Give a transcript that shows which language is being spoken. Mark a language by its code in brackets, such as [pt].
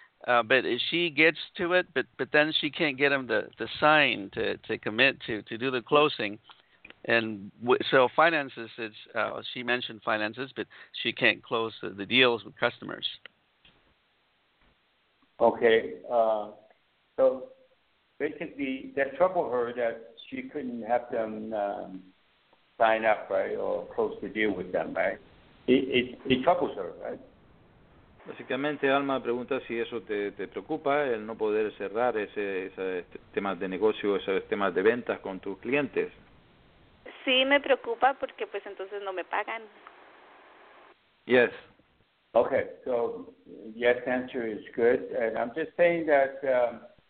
[en] But she gets to it, but then she can't get him to sign to commit to do the closing, and so finances it's she mentioned finances, but she can't close the deals with customers. Okay, so basically that troubled her that she couldn't have them sign up, right, or close the deal with them, right? It troubles her, right? [es] Básicamente, Alma pregunta si eso te preocupa, el no poder cerrar esos temas de negocio, esos temas de ventas con tus clientes. Sí, me preocupa porque pues entonces no me pagan. [en] Yes. Okay, so yes, answer is good. And I'm just saying that